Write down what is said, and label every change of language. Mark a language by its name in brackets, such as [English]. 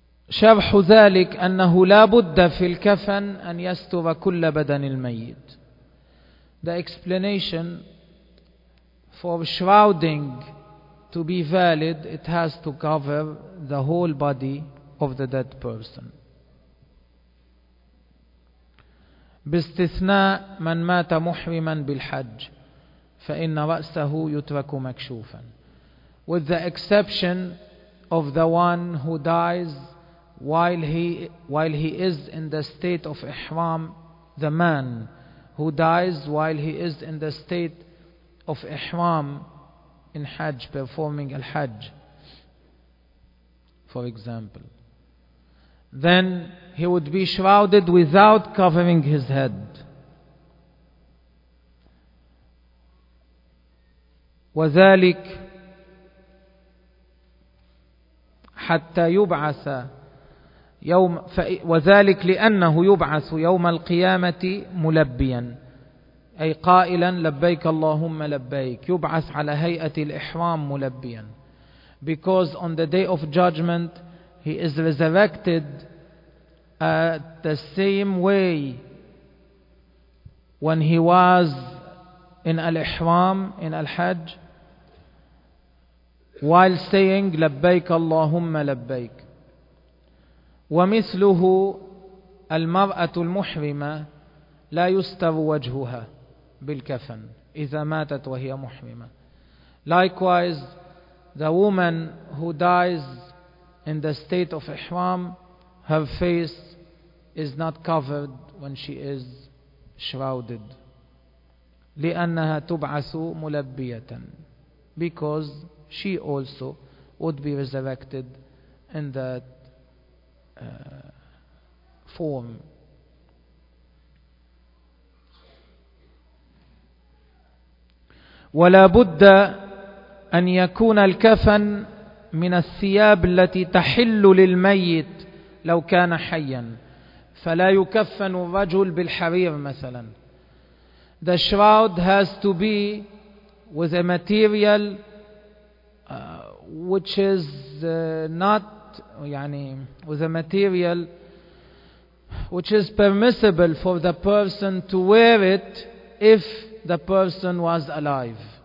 [Arabic] شرح ذلك أنه لا بد في الكفن أن يستر كل بدن الميت. [English] The explanation for shrouding to be valid, it has to cover the whole body of the dead person. [Arabic] باستثناء من مات محرما بالحج فإن رأسه يترك مكشوفا. [English] With the exception of the one who dies while he is in the state of ihram, the man who dies while he is in the state of ihram in Hajj, performing al-Hajj, for example, then he would be shrouded without covering his head. [Arabic] وذلك حتى يبعث يوم وذلك لأنه يبعث يوم القيامة ملبيا أي قائلا لبيك اللهم لبيك, يبعث على هيئة الإحرام ملبيا. [English] Because on the day of judgment he is resurrected at the same way when he was in al-ihram, in al-hajj, while saying [Arabic] لبيك اللهم لبيك. ومثله المرأة المحرمة لا يستر وجهها بالكفن إذا ماتت وهي محرمة. [English] Likewise, the woman who dies in the state of ihram, her face is not covered when she is shrouded. [Arabic] لأنها تبعث ملبية. [English] Because she also would be resurrected in that form. [Arabic] ولا بد أن يكون الكفن من الثياب التي تحل للميت لو كان حيا, فلا يكفن الرجل بالحرير مثلا. [English] The shroud has to be with a material which is not with a material which is permissible for the person to wear it if the person was alive.